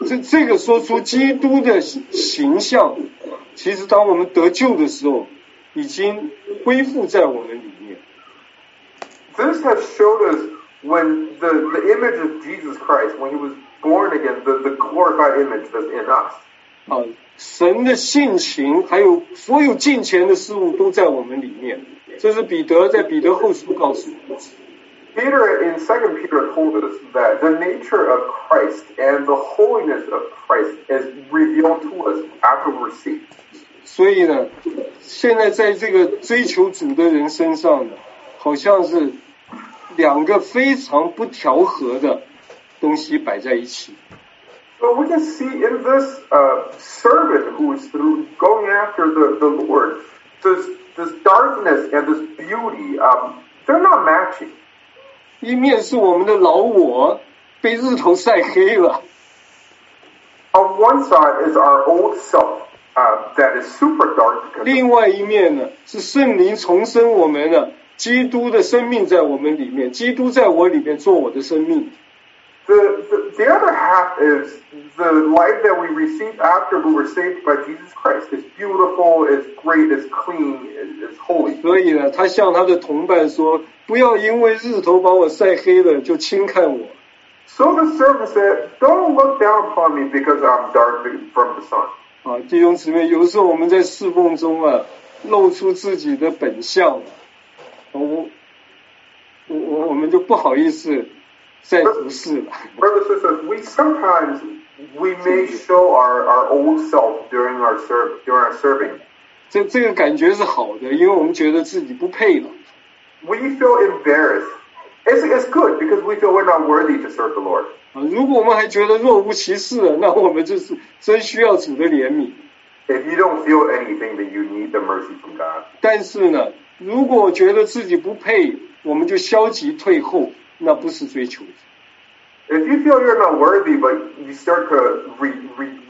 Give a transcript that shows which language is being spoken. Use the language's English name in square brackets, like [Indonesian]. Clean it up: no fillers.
[Chinese] 这个说出基督的形象，其实当我们得救的时候。已经恢复在我们里面。 [English] This has showed us when the image of Jesus Christ, when he was born again, the glorified image that's in us. [Chinese] 神的性情还有所有近前的事物都在我们里面。这是彼得在彼得后书告诉我们。 [English] Peter in 2 Peter told us that the nature of Christ and the holiness of Christ is revealed to us after we receive. [Chinese] 所以呢，现在在这个追求主的人身上呢，好像是两个非常不调和的东西摆在一起。 [English] So we can see in this servant who is going after the Lord, this darkness and this beauty, they're not matching. [Chinese] 一面是我们的老我被日头晒黑了。 [English] On one side is our old self. That is super dark. [Chinese] 另外一面呢，是圣灵重生我们的基督的生命在我们里面，基督在我里面做我的生命。 [English] The other half is the life that we receive after we were saved by Jesus Christ. It's beautiful, it's great, it's clean, it's holy. [Chinese] 所以呢，他向他的同伴说，不要因为日头把我晒黑了就轻看我。 [English] So the servant said, "Don't look down upon me because I'm dark from the sun." [Chinese] 弟兄姊妹，有时候我们在侍奉中啊，露出自己的本相，我们就不好意思再服侍了。 [English] Brother sisters, we sometimes may show our old self during our serving. [Chinese] 这个感觉是好的，因为我们觉得自己不配了。 [English] We feel embarrassed. It's good because we feel we're not worthy to serve the Lord. [Chinese] 如果我们还觉得若无其事，那我们就是真需要主的怜悯。 [English] If you don't feel anything, then you need the mercy from God. [Chinese] 但是呢，如果觉得自己不配，我们就消极退后，那不是追求。 [English] If you feel you're not worthy, but you start to re, re,